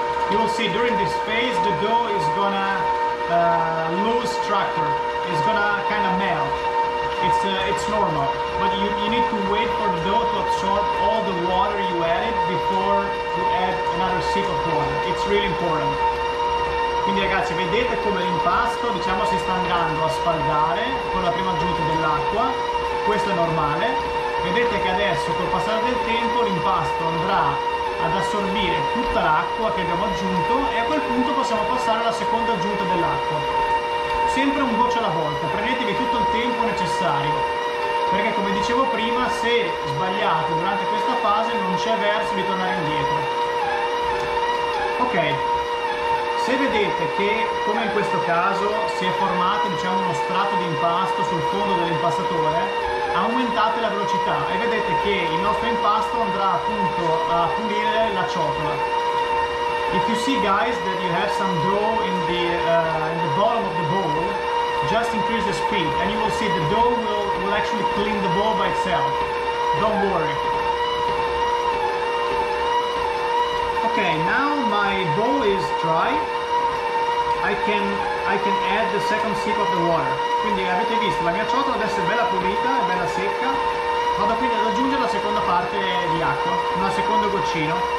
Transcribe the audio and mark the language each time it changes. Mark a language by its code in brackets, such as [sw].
[en] You'll see during this phase the dough is gonna lose structure. It's gonna kind of melt. It's normal. But you need to wait for the dough to absorb all the water you added before you add another sip of water. It's really important. [it] Quindi ragazzi, vedete come l'impasto, diciamo, si sta andando a sfaldare con la prima aggiunta dell'acqua. Questo è normale. Vedete che adesso, col passare del tempo, l'impasto andrà ad assorbire tutta l'acqua che abbiamo aggiunto e a quel punto possiamo passare alla seconda aggiunta dell'acqua. Sempre un goccio alla volta, prendetevi tutto il tempo necessario. Perché, come dicevo prima, se sbagliate durante questa fase non c'è verso di tornare indietro. Ok. Se vedete che, come in questo caso, si è formato, diciamo, uno strato di impasto sul fondo dell'impastatore, aumentate la velocità e vedete che il nostro impasto andrà appunto a pulire la ciotola. [en] If you see, guys, that you have some dough in the bottom of the bowl, just increase the speed and you will see the dough will actually clean the bowl by itself. Don't worry. Okay, now my bowl is dry. I can add the second sip of the water. [it] Quindi avete visto, la mia ciotola adesso è bella pulita, è bella secca. Vado quindi ad aggiungere la seconda parte di acqua, una seconda goccia. vicino.